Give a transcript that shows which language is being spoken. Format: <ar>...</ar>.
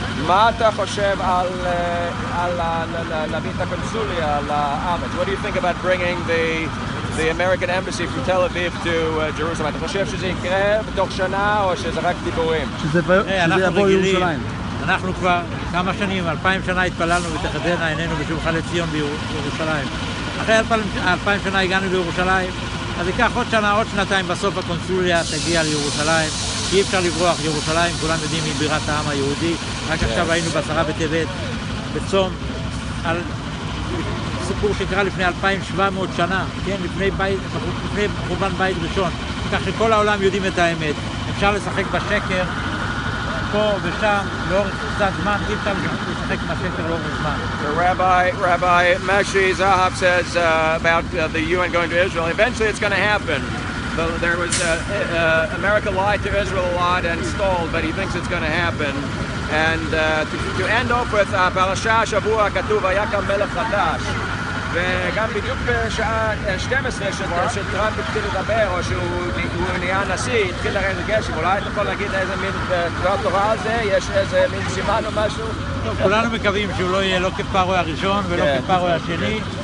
<he>מה אתה חושב על להביא את הקונסוליה לארץ?</he> <en>What do you think about bringing the American embassy from Tel Aviv to Jerusalem?</en> <he>אתה חושב שזה יקרה בתוך שנה או שזה רק דיבורים? שזה יבוא ירושלים. אנחנו כבר כמה שנים, 2,000 שנה התפללנו ותחזינה עינינו בשובך לציון בירושלים. אחרי 2,000 שנה הגענו לירושלים, אז ייקח עוד שנה, עוד שנתיים בסוף הקונסוליה תגיע לירושלים. אי אפשר לברוח ירושלים, כולם יודעים, היא בירת העם היהודי. רק עכשיו היינו בעשרה בטבת, בצום, על סיפור שקרה לפני 2,700 שנה, כן? לפני חורבן בית ראשון. כך שכל העולם יודעים את האמת. אפשר לשחק בשקר פה ושם, לאורך קצת זמן, אי אפשר לשחק בשקר לאורך זמן.</he> <en>Rabbi Eshi Zahav says about the UN going to Israel. Eventually it's going to happen. There was America lied to Israel a lot and stalled, but he thinks it's going to happen. And to end off with</en> <he>parasha shavu ha-katuv ha-yakam melech hadash. וגם בדיוק בשעה 12 שטראמפ התחיל לדבר, או שהוא נהיה נשיא, התחיל לרדת גשם. אולי אתה יכול להגיד איזה מין דבר תורה על זה? יש איזה מין סימן או משהו? כולנו מקווים שהוא לא יהיה לא כפרו הראשון ולא כפרו השני.</he>